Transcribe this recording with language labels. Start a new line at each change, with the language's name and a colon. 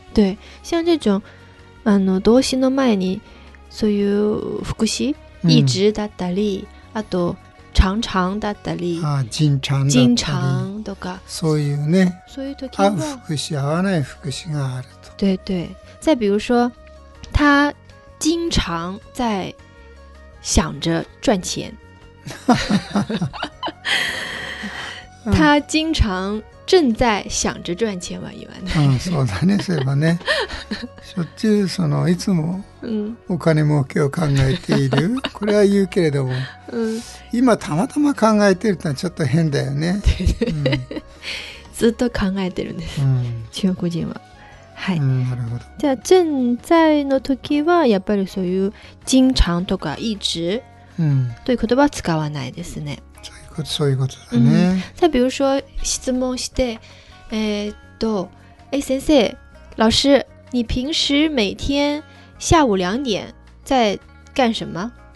Chinese: 对，像这种
Japanese: 動詞の前にそういう副詞、一直だったり、あと常常だったり、
Chinese: 经常
Japanese: とか、そういうね、そういう時は合う副詞合わない副詞があると。
Chinese: 对对，再比如说，他经常在想着赚钱。他经常正在想着赚钱吧，
Japanese: 言わない。そうだね、そういえばね。しょっちゅうそのいつもお金儲けを考えている。これは言うけれども、今たまたま考えてるってのはちょっと変だよね。ずっと考えてるんです。中国人は。はい。なるほど。じゃあ正在の時はやっぱりそういう经常とか一直、という言葉は使わないですね。そういうことだね。
Chinese: 再比如说
Japanese: 質問して、先生、
Chinese: 老师、你平时每天下午两点在干什么？